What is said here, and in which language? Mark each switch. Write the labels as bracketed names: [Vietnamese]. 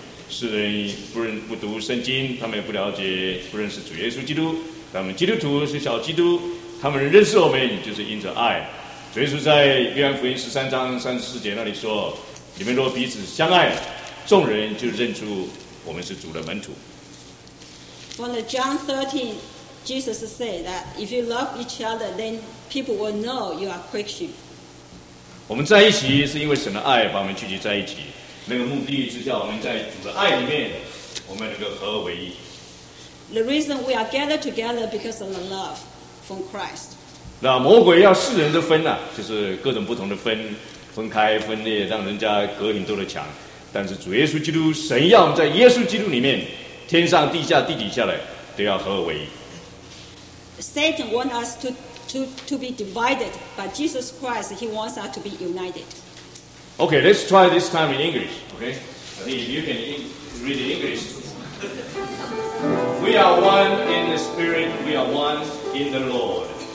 [Chinese] 圣经，他们也不了解，不认识主耶稣基督。他们基督徒是小基督，他们认识我们就是因着爱。主耶稣在约翰福音十三章三十四节那里说：“你们若彼此相爱，众人就认出我们是主的门徒。” [English] From the John 13, Jesus said that if you love each other, then people will know you are Christian. [Chinese] 我们在一起是因为神的爱把我们聚集在一起，那个目的是叫我们在主的爱里面。我们能够合而为一。 [English] The reason we are gathered together because of the love from Christ. [Chinese] 那魔鬼要世人的分啊，就是各种不同的分，分开分裂，让人家隔很多的墙。但是主耶稣基督，神要我们在耶稣基督里面，天上地下地底下的都要合而为一。 [English] Satan wants us to be divided, but Jesus Christ, he wants us to be united. Okay, let's try this time in English. Okay, I think if you can. Read in English. We are one in the Spirit, we are one in the Lord.